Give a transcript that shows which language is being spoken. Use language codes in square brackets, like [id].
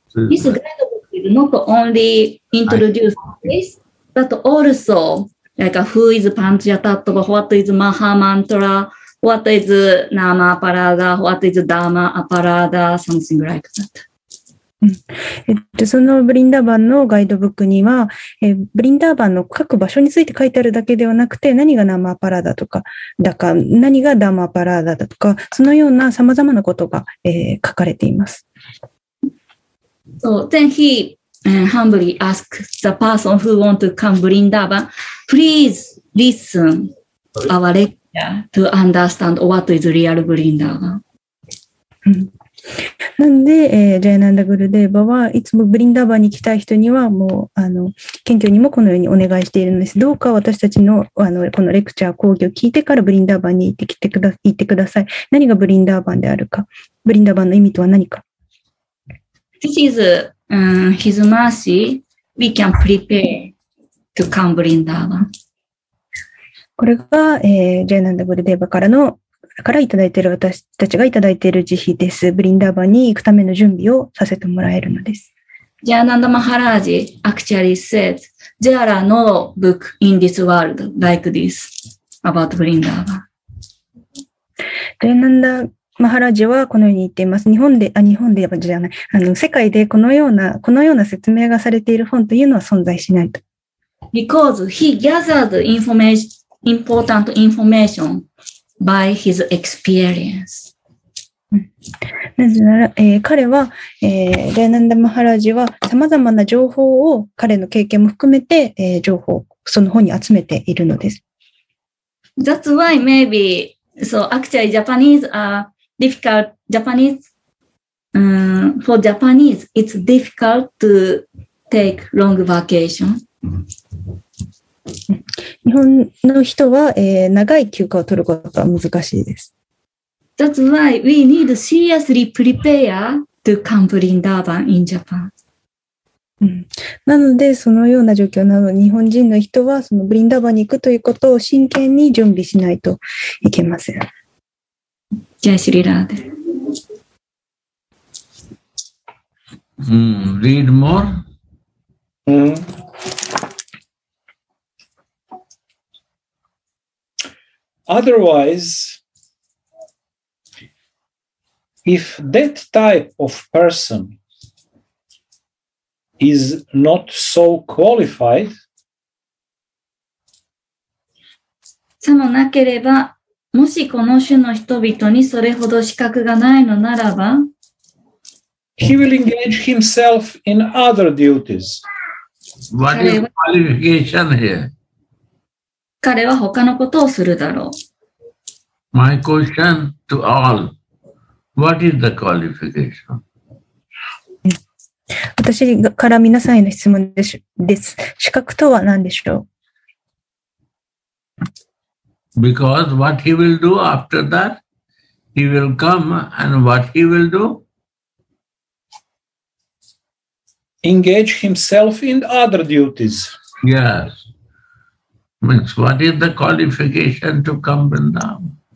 [en] This guidebook is not only introduced this, but also. Like, who is Panchayatattva, what is Mahamantra, what is Nama Aparada, what is Dharma Aparada, something like that. [ja] そのブリンダーバンのガイドブックには、ブリンダーバンの各場所について書いてあるだけではなくて、何がナマアパラダとか、だか、何がダーマアパラダだとか、そのような様々なことが、書かれています。 [en] So, then he... humbly ask the person who want to come Vrindavan, please listen our lecture to understand what is real Vrindavan. [ja] なんで、ジャイナンダグルデーバはいつもブリンダーバンに来たい人にはもう謙虚にもこのようにお願いしているんです。どうか私たちのこのレクチャー講義を聞いてからブリンダーバンに行ってきてくだ、行ってください。何がブリンダーバンであるか、ブリンダーバンの意味とは何か。 [en] this is his mercy, we can prepare to come Vrindavan. [ja] これが、ジェナンダ・ブルデーバからのからいただいている私たちがいただいている慈悲です。ブリンダーバに行くための準備をさせてもらえるのです。 [en] ジェナンダ・マハラージ actually said there are no book in this world like this about ブリンダーバ。 [ja] ジェナンダ・マハラージはこのように言っています。日本で、あ、日本でじゃない。あの、世界でこのような説明がされている本というのは存在しないと。 [en] Because he gathered important information by his experience. [ja] なぜなら、彼は、ジェナンダ・マハラージは様々な情報を彼の経験も含めて、情報をその本に集めているのです。 [en] That's why maybe, so actually Japanese are difficult, Japanese,、for Japanese, it's difficult to take long vacation. [ja] 日本の人は、長い休暇を取ることは難しいです。 [en] That's why we need seriously prepare to come Vrindavan in Japan.、 [ja] なので、そのような状況なので、日本人の人はそのブリンダーバンに行くということを真剣に準備しないといけません。ジャイシリラーデ。 [en] Read more?、 Otherwise, if that type of person is not so qualified, [ja] さもなければ、もしこの種の人々にそれほど資格がないのならば、 [en] he will engage himself in other duties. What is qualification here? [ja] 彼は他のことをするだろう。 [en] My question to all, what is the qualification? [ja] 私から皆さんへの質問です。資格とは何でしょう? [en] Because what he will do after that, he will come and what he will do? Engage himself in other duties. Yes. Means what is the qualification to come Vrindavan?